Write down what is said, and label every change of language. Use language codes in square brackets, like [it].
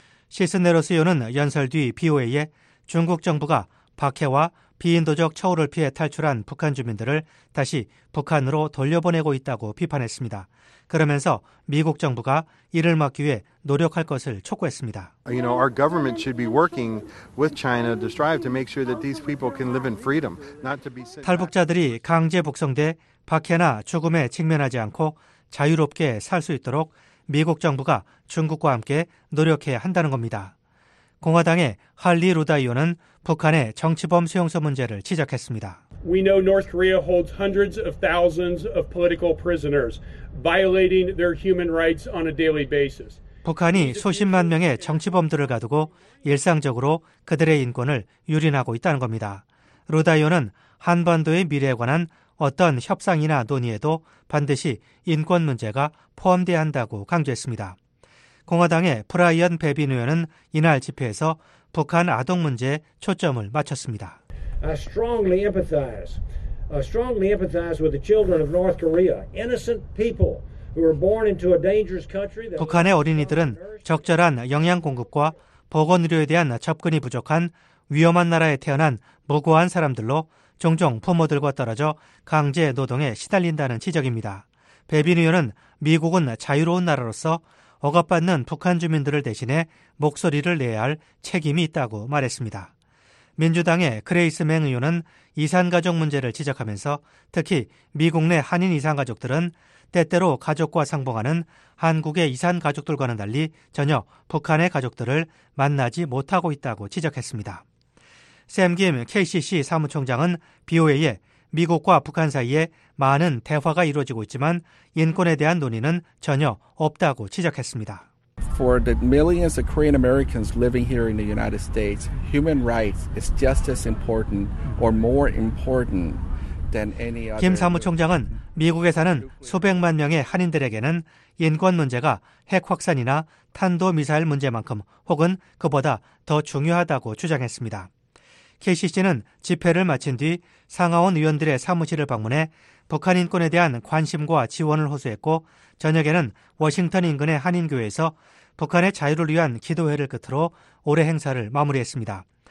[ko] 시스네로스 의원은 연설 뒤 VOA에 중국 정부가 박해와 비인도적 처우를 피해 탈출한 북한 주민들을 다시 북한으로 돌려보내고 있다고 비판했습니다. 그러면서 미국 정부가 이를 막기 위해 노력할 것을 촉구했습니다. [en] You know, our government should be working with China to strive to make sure that these people can live in freedom, not to be [ko] 탈북자들이 강제 북송돼 박해나 죽음에 직면하지 않고 자유롭게 살 수 있도록 미국 정부가 중국과 함께 노력해야 한다는 겁니다. 공화당의 할리 루다 의원은 북한의 정치범 수용소 문제를 지적했습니다. [en] We know North Korea holds hundreds of thousands of political prisoners, violating their human rights on a daily basis. [ko] 북한이 수십만 명의 정치범들을 가두고 일상적으로 그들의 인권을 유린하고 있다는 겁니다. 루다 의원은 한반도의 미래에 관한 어떤 협상이나 논의에도 반드시 인권 문제가 포함돼야 한다고 강조했습니다. 공화당의 브라이언 베빈 의원은 이날 집회에서 북한 아동 문제에 초점을 맞췄습니다. [en] I strongly empathize with the children of North Korea, innocent people who were born into a dangerous country. [ko] 북한의 어린이들은 적절한 영양 공급과 보건 의료에 대한 접근이 부족한 위험한 나라에 태어난 무고한 사람들로 종종 부모들과 떨어져 강제 노동에 시달린다는 지적입니다. 베빈 의원은 미국은 자유로운 나라로서 억압받는 북한 주민들을 대신해 목소리를 내야 할 책임이 있다고 말했습니다. 민주당의 그레이스 맹 의원은 이산가족 문제를 지적하면서 특히 미국 내 한인 이산가족들은 때때로 가족과 상봉하는 한국의 이산가족들과는 달리 전혀 북한의 가족들을 만나지 못하고 있다고 지적했습니다. 샘 김 KCC 사무총장은 BOA에 미국과 북한 사이에 많은 대화가 이루어지고 있지만 인권에 대한 논의는 전혀 없다고 지적했습니다. [en] For the millions of Korean Americans living here in the United States, human rights is just as important or more important than any other. [ko] 김 사무총장은 미국에 사는 수백만 명의 한인들에게는 인권 문제가 핵 확산이나 탄도 미사일 문제만큼 혹은 그보다 더 중요하다고 주장했습니다. KCC는 집회를 마친 뒤 상하원 의원들의 사무실을 방문해 북한 인권에 대한 관심과 지원을 호소했고 저녁에는 워싱턴 인근의 한인교회에서 북한의 자유를 위한 기도회를 끝으로 올해 행사를 마무리했습니다.